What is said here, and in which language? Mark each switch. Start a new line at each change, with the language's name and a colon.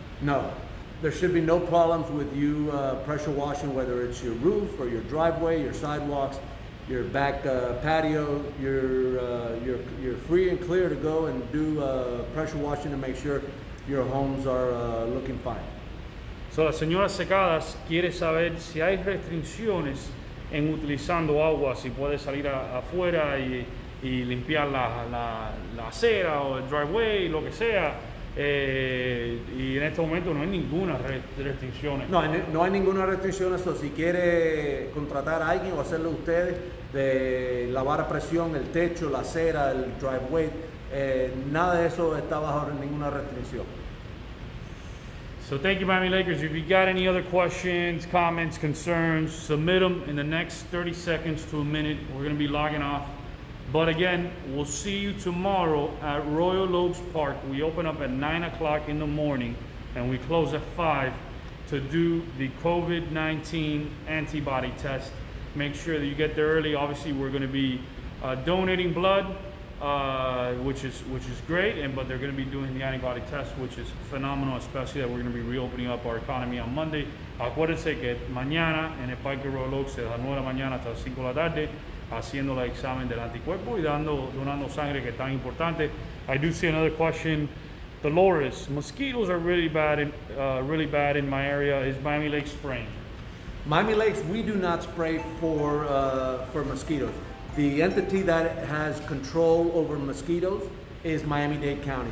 English: No, there should be no problems with you pressure washing, whether it's your roof or your driveway, your sidewalks. your back patio, you're free and clear to go and do pressure washing to make sure your homes are looking fine.
Spanish: So la señora Secadas quiere saber si hay restricciones en utilizando agua, si puede salir afuera y limpiar la acera o el driveway, lo que sea. Y en este momento no hay ninguna restricción. No hay ninguna restricción. Eso, si quiere contratar a alguien o hacerlo ustedes de lavar a presión el techo, la acera, el driveway, nada de eso está bajo ninguna restricción.
English: So thank you, Miami Lakers. If you got any other questions, comments, concerns, submit them in the next 30 seconds to a minute. We're going to be logging off. But again, we'll see you tomorrow at Royal Oaks Park. We open up at 9 o'clock in the morning and we close at 5 to do the COVID-19 antibody test. Make sure that you get there early. Obviously, we're going to be donating blood, which is great, but they're going to be doing the antibody test, which is phenomenal, especially that we're going to be reopening up our economy on Monday.
Spanish: Acuérdense que mañana en el Parque Royal Oaks, de las 9 de la mañana hasta las 5 de la tarde, haciendo el examen del anticuerpo y donando sangre, que es tan importante.
English: I do see another question. Dolores, mosquitoes are really bad in my area. Is Miami Lakes spraying? Miami Lakes, we do not spray for mosquitoes. The entity that has control over mosquitoes is Miami-Dade County.